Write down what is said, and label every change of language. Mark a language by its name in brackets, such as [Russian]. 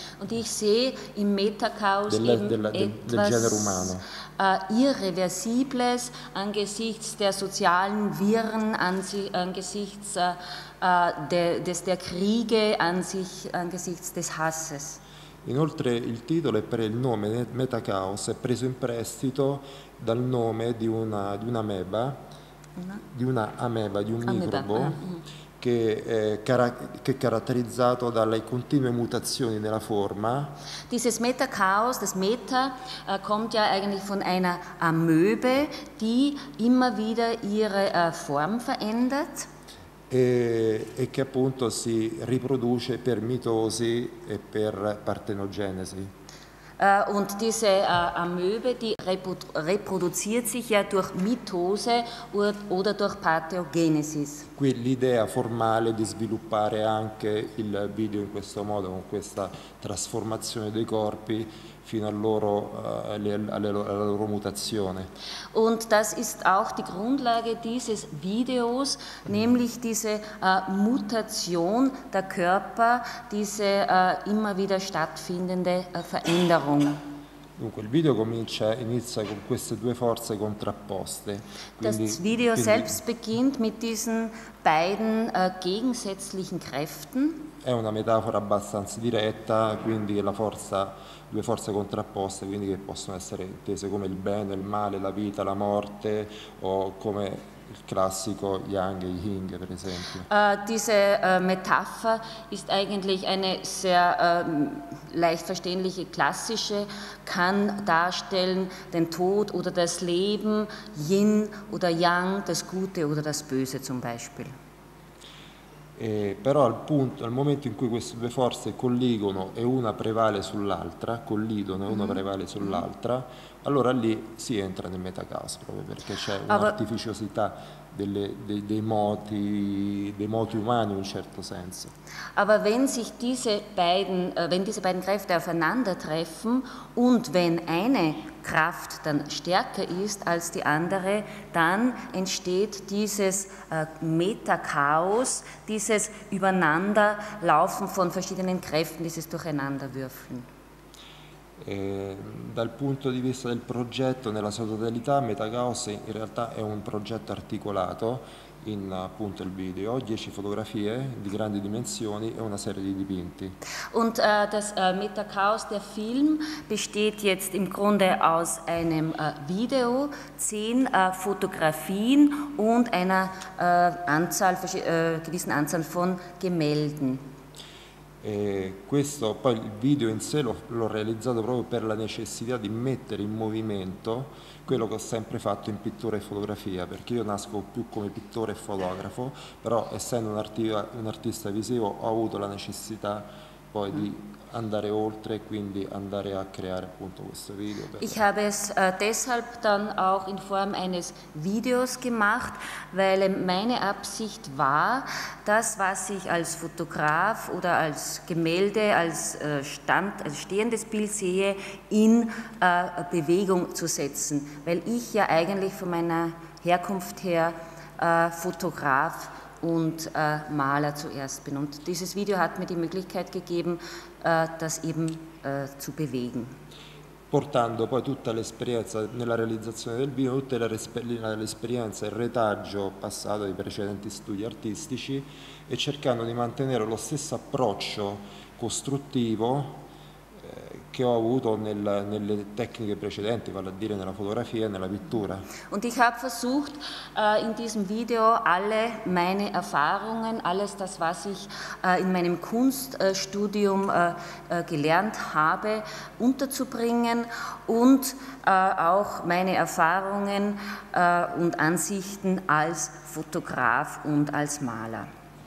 [German] Und ich sehe im Metachaos [Italian] del genere umano [German] irreversibles angesichts der sozialen Wirren, angesichts der Kriege, angesichts des Hasses. [Italian] Inoltre il titolo e per il nome Metachaos è preso in prestito dal nome di un microbo. Che è caratterizzato dalle continue mutazioni nella forma. [German] Dieses Metachaos, das Meta, kommt ja eigentlich von einer Amöbe, die immer wieder ihre Form verändert. [Italian] E che appunto si riproduce per mitosi e per partenogenesi. [German] Und diese Amöbe, die reproduziert sich ja durch Mitose oder durch Parthenogenesis. [Italian] Qui l'idea formale di sviluppare anche il video in questo modo, con questa trasformazione dei corpi fino alla loro mutazione. [German] Und das ist auch die Grundlage dieses Videos, nämlich diese Mutation der Körper, diese immer wieder stattfindende Veränderung. [Italian] Dunque, il video inizia con queste due forze contrapposte. [German] Quindi, das Video selbst beginnt mit diesen beiden gegensätzlichen Kräften. [Italian] È una metafora abbastanza diretta, quindi due forze contrapposte, quindi che possono essere intese come il bene, il male, la vita, la morte, o come il classico Yang e Yin, per esempio. [German] Diese Metapher ist eigentlich eine sehr leicht verständliche klassische, kann darstellen den Tod oder das Leben, Yin oder Yang, das Gute oder das Böse zum Beispiel. [Italian] Però al momento in cui queste due forze colligono e una prevale sull'altra, collidono e una prevale sull'altra, allora lì si entra nel metacaos, proprio perché c'è un'artificiosità dei moti umani in un certo senso. [German] Aber wenn sich diese beiden Kräfte aufeinandertreffen und wenn eine Kraft dann stärker ist als die andere, dann entsteht dieses Metachaos, dieses Übereinanderlaufen von verschiedenen Kräften, dieses Durcheinanderwürfeln. [Italian] Dal punto di vista del progetto, nella sua totalità, Metachaos in realtà è un progetto articolato in appunto il video, 10 fotografie di grandi dimensioni e una serie di dipinti. [German] Und das Metachaos der Film besteht jetzt im Grunde aus einem Video, 10 Fotografien und einer gewissen Anzahl von Gemälden. [Italian] E questo poi il video in sé l'ho realizzato proprio per la necessità di mettere in movimento quello che ho sempre fatto in pittura e fotografia, perché io nasco più come pittore e fotografo, però essendo un artista visivo ho avuto la necessità poi di andare oltre, quindi andare a creare appunto questo video. [German] Ich habe es deshalb dann auch in Form eines Videos gemacht, weil meine Absicht war, das, was ich als Fotograf oder als Gemälde, als stehendes Bild sehe, in Bewegung zu setzen, weil ich ja eigentlich von meiner Herkunft her Fotograf und Maler zuerst bin. Und dieses Video hat mir die Möglichkeit gegeben, das eben zu bewegen. [Italian] Portando poi tutta l'esperienza nella realizzazione del video, tutta l'esperienza, il retaggio passato dei precedenti studi artistici e cercando di mantenere lo stesso approccio costruttivo che ho avuto nelle tecniche precedenti, vale a dire nella fotografia e nella pittura. [German] Und ich habe versucht in diesem Video alle meine Erfahrungen, alles das, was ich in meinem Kunststudium gelernt habe, unterzubringen und auch meine Erfahrungen und Ansichten als Fotograf und als Maler.